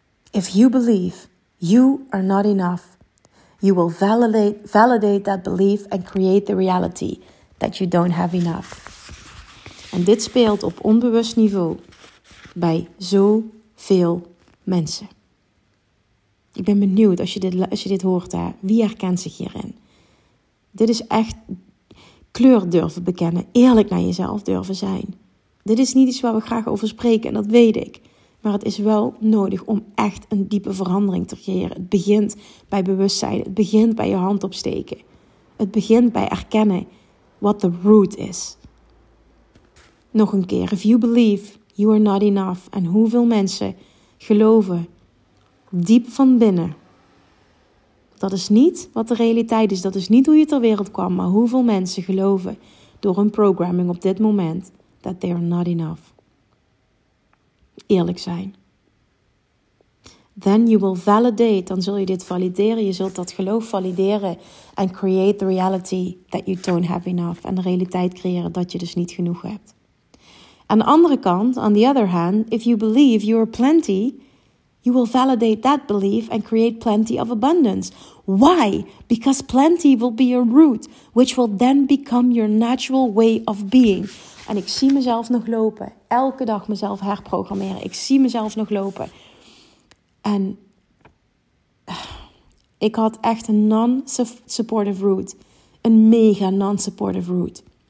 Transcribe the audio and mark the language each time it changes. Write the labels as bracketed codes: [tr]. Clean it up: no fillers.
[en] If you believe you are not enough, you will validate that belief and create the reality that you don't have enough. [nl] En dit speelt op onbewust niveau bij zoveel mensen. Ik ben benieuwd als je dit hoort, hè? Wie herkent zich hierin? Dit is echt kleur durven bekennen, eerlijk naar jezelf durven zijn. Dit is niet iets waar we graag over spreken en dat weet ik. Maar het is wel nodig om echt een diepe verandering te creëren. Het begint bij bewustzijn, het begint bij je hand opsteken. Het begint bij erkennen wat de root is. Nog een keer, [en] if you believe you are not enough [nl] en hoeveel mensen geloven diep van binnen. Dat is niet wat de realiteit is. Dat is niet hoe je ter wereld kwam. Maar hoeveel mensen geloven door hun programming op dit moment [en] that they are not enough. [nl] Eerlijk zijn. [en] Then you will validate. [nl] Dan zul je dit valideren. Je zult dat geloof valideren. [en] And create the reality that you don't have enough. [nl] En de realiteit creëren dat je dus niet genoeg hebt. Aan de andere kant, [en] on the other hand, if you believe you are plenty, you will validate that belief and create plenty of abundance. Why? Because plenty will be your root, which will then become your natural way of being. [nl] En ik zie mezelf nog lopen. Elke dag mezelf herprogrammeren. Ik zie mezelf nog lopen. En ik had echt een non-supportive root. Een mega non-supportive root.